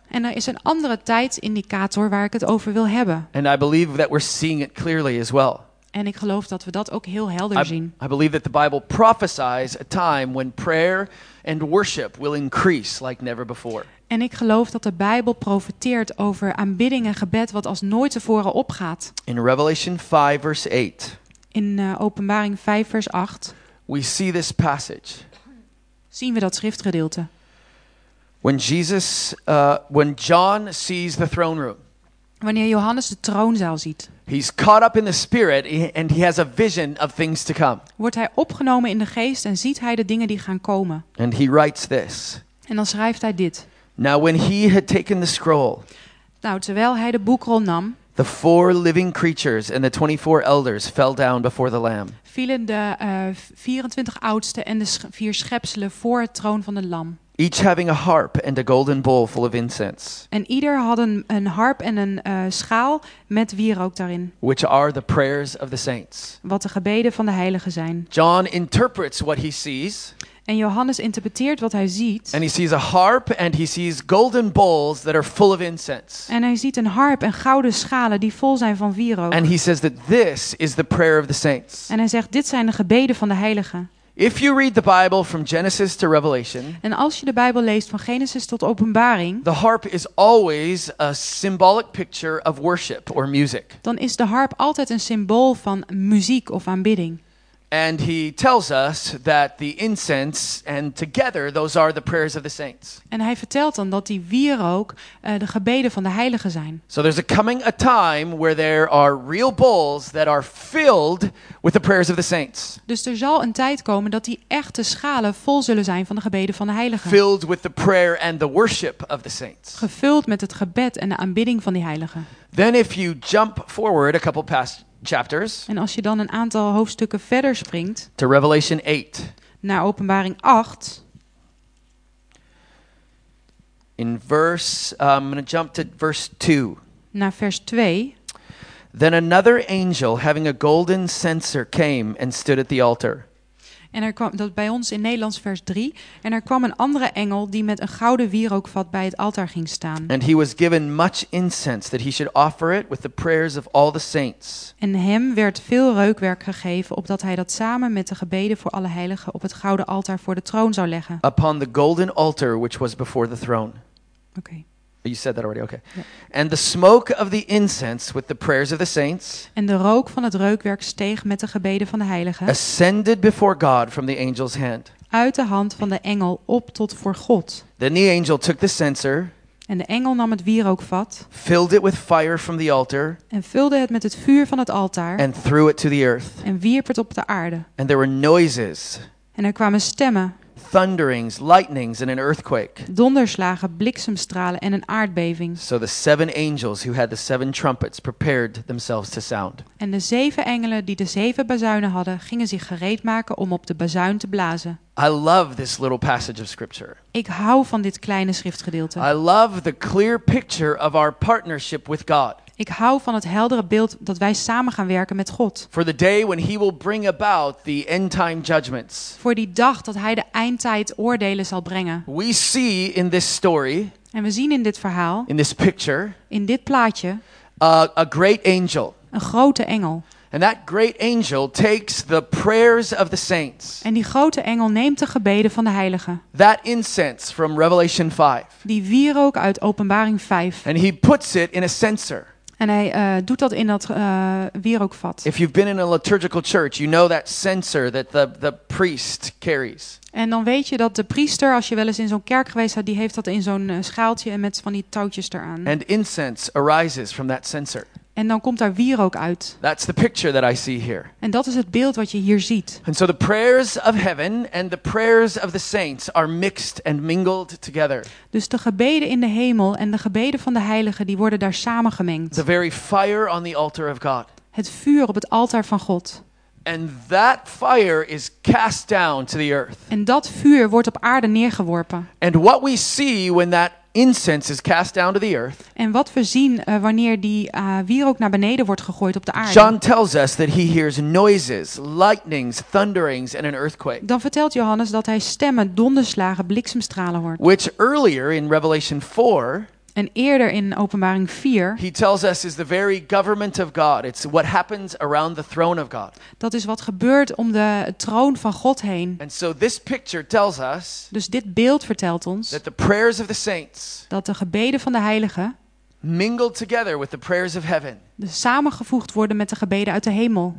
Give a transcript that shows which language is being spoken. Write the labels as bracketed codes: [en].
[nl] En er is een andere tijdsindicator waar ik het over wil hebben. [en] And I believe that we're seeing it clearly as well. [nl] En ik geloof dat we dat ook heel helder zien. [en] I believe that the Bible prophesies a time when prayer and worship will increase like never before. [nl] En ik geloof dat de Bijbel profeteert over aanbidding en gebed wat als nooit tevoren opgaat. [en] In Revelation 5 verse 8. [nl] Openbaring 5 vers 8. [en] We see this passage. [nl] Zien we dat schriftgedeelte? [en] When Jesus, when John sees the throne room. [nl] Wanneer Johannes de troonzaal ziet. [en] He's caught up in the spirit and he has a vision of things to come. [nl] Wordt hij opgenomen in de geest en ziet hij de dingen die gaan komen. [en] And he writes this. [nl] En dan schrijft hij dit. [en] Now when he had taken the scroll. [nl] Nou, terwijl hij de boekrol nam. [en] The four living creatures and the 24 elders fell down before the Lamb. [nl] Vielen de 24 oudsten en de vier schepselen voor het troon van de Lam. [en] Each having a harp and a golden bowl full of incense. [nl] En ieder had een harp en een schaal met wierook daarin. [en] Which are the prayers of the saints. [nl] Wat de gebeden van de heiligen zijn. [en] John interprets what he sees. [nl] En Johannes interpreteert wat hij ziet. [en] And he sees a harp and he sees golden bowls that are full of incense. [nl] En hij ziet een harp en gouden schalen die vol zijn van wierook. [en] And he says that this is the prayer of the saints. [nl] En hij zegt dit zijn de gebeden van de heiligen. [en] If you read the Bible from Genesis to Revelation. [nl] En als je de Bijbel leest van Genesis tot Openbaring. [en] The harp is always a symbolic picture of worship or music. [nl] Dan is de harp altijd een symbool van muziek of aanbidding. [en] And he tells us that the incense and together those are the prayers of the saints. [nl] En hij vertelt dan dat die wierook de gebeden van de heiligen zijn. [en] So there's a coming a time where there are real bowls that are filled with the prayers of the saints. [nl] Dus er zal een tijd komen dat die echte schalen vol zullen zijn van de gebeden van de heiligen. [en] Filled with the prayer and the worship of the saints. [nl] Gevuld met het gebed en de aanbidding van die heiligen. [en] Then if you jump forward a couple past chapters. [nl] En als je dan een aantal hoofdstukken verder springt. [en] To Revelation 8. [nl] Naar Openbaring 8. [en] In verse, I'm going to jump to verse 2. [nl] Naar vers 2. [en] Then another angel having a golden censer came and stood at the altar. [nl] En er kwam, dat bij ons in Nederlands vers 3. En er kwam een andere engel die met een gouden wierookvat bij het altaar ging staan. [en] And he was given much incense that he should offer it with the prayers of all the saints. [nl] En hem werd veel reukwerk gegeven opdat hij dat samen met de gebeden voor alle heiligen op het gouden altaar voor de troon zou leggen. [en] Upon the golden altar which was before the throne. Okay. You said that already, okay. And the smoke of the incense with the prayers of the saints. [nl] En de rook van het reukwerk steeg met de gebeden van de heiligen. [en] Ascended before God from the angel's hand. [nl] Uit de hand van de engel op tot voor God. [en] Then the angel took the censer. [nl] En de engel nam het wierookvat. [en] Filled it with fire from the altar. [nl] En vulde het met het vuur van het altaar. [en] And threw it to the earth. [nl] En wierp het op de aarde. [en] And there were noises. [nl] En er kwamen stemmen. [en] Thunderings, lightnings and an earthquake. [nl] Donderslagen, bliksemstralen en een aardbeving. [en] So the seven angels who had the seven trumpets prepared themselves to sound. [nl] En de zeven engelen die de zeven bazuinen hadden, gingen zich gereed maken om op de bazuin te blazen. [en] I love this little passage of scripture. [nl] Ik hou van dit kleine schriftgedeelte. [en] I love the clear picture of our partnership with God. [nl] Ik hou van het heldere beeld dat wij samen gaan werken met God. [en] For the day when he will bring about the end time judgments. [nl] Voor die dag dat hij de eindtijd oordelen zal brengen. [en] We see in this story. [nl] En we zien in dit verhaal. [en] In this picture. [nl] In dit plaatje. [en] A great angel. [nl] Een grote engel. [en] And that great angel takes the prayers of the saints. [nl] En die grote engel neemt de gebeden van de heiligen. [en] That incense from Revelation 5. [nl] Die wierook uit Openbaring 5. [en] And he puts it in a censer. [nl] En hij doet dat in dat wierookvat. [en] If you've been in a liturgical church, you know that censer that the priest carries. [nl] En dan weet je dat de priester, als je wel eens in zo'n kerk geweest had, die heeft dat in zo'n schaaltje en met van die touwtjes eraan. [en] And incense arises from that censer. [nl] En dan komt daar wierook uit. [en] That's the picture that I see here. [nl] En dat is het beeld wat je hier ziet. [en] And so the prayers of heaven and the prayers of the saints are mixed and mingled together. [nl] Dus de gebeden in de hemel en de gebeden van de heiligen die worden daar samengemengd. [en] The very fire on the altar of God. [nl] Het vuur op het altaar van God. [en] And that fire is cast down to the earth. [nl] En dat vuur wordt op aarde neergeworpen. [en] And what we see when that incense is cast down to the earth. [nl] En wat we zien wanneer die wierook naar beneden wordt gegooid op de aarde. [en] John tells us that he hears noises, lightnings, thunderings and an earthquake. [nl] Dan vertelt Johannes dat hij stemmen, donderslagen, bliksemstralen hoort. [en] Which earlier in Revelation 4. [nl] En eerder in Openbaring 4. [en] He tells us is the very government of God. It's what happens around the throne of God. [nl] Dat is wat gebeurt om de troon van God heen. [en] And so this picture tells us. [nl] Dus dit beeld vertelt ons. [en] That the prayers of the saints. [nl] Dat de gebeden van de heiligen. [en] Mingled together with the prayers of heaven. [nl] Dus samengevoegd worden met de gebeden uit de hemel.